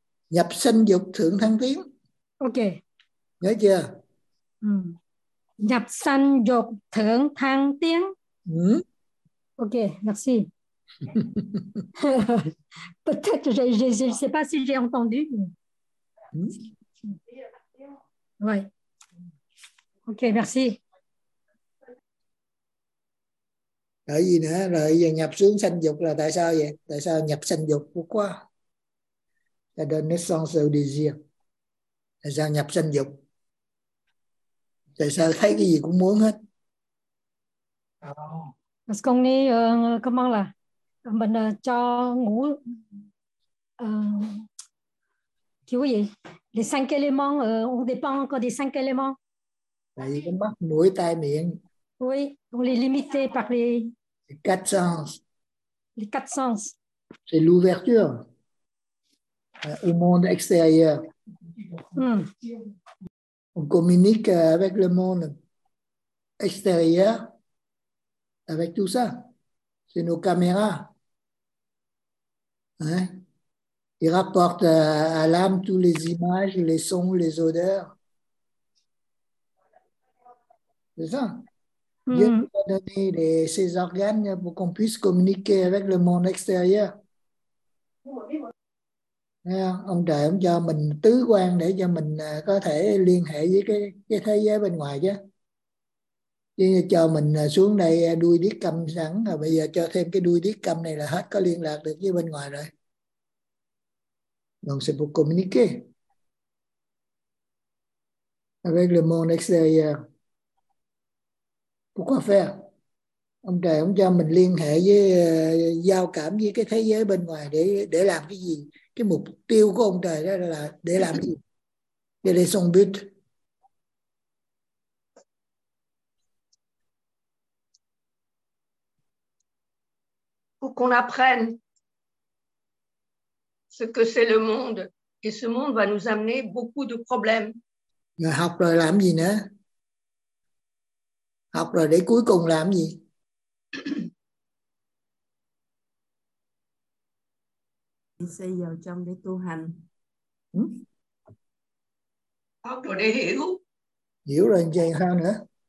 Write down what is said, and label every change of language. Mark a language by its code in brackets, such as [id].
[vi] Nhập sanh dục thượng thăng tiến. Ok. Nhớ chưa? Nhập sanh dục thượng thăng tiến. [fr] Ok, merci. Peut-être je sais pas si j'ai entendu. Ouais. Ok, merci. [vi] Tại gì nữa? Rồi giờ nhập xuống sanh dục là tại sao vậy? Tại sao nhập sanh dục của quá? [fr] La naissance au désir. [vi] Tại sao nhập sanh dục? Tại sao thấy cái gì cũng muốn hết? [fr] Parce qu'on est, comment là? [vi] Mình cho ngủ. Kiểu gì? [fr] Les cinq éléments, on dépend encore des cinq éléments. [vi] Tại vì cái mắt, mũi, tai, miệng. [fr] Oui, on est limité par les... Les quatre sens. Les quatre sens. C'est l'ouverture au monde extérieur. On communique avec le monde extérieur avec tout ça. C'est nos caméras. Hein? Ils rapportent à l'âme toutes les images, les sons, les odeurs. C'est ça. Dieu nous a donné ses organes pour qu'on puisse communiquer avec le monde extérieur. [vi] Ông trời ông cho mình tứ quan để cho mình có thể liên hệ với cái thế giới bên ngoài chứ. Chứ cho mình xuống đây đuôi điếc câm sẵn, rồi bây giờ cho thêm cái đuôi điếc câm này là hết có liên lạc được với bên ngoài rồi. [fr] Donc c'est pour communiquer avec le monde extérieur. Pourquoi faire? [vi] Ông trời ông cho mình liên hệ với giao cảm với cái thế giới bên ngoài để làm cái gì? Cái mục tiêu của ông trời đó là để làm gì? Để lấy [fr] son but. Pour qu'on apprenne ce que c'est le monde et ce monde va nous amener beaucoup de problèmes. [vi] Mà học rồi làm gì nữa? Học rồi để cuối cùng làm gì? Xây vào trong để tu hành. Học rồi để hiểu. Hiểu rồi anh chàng sao nữa?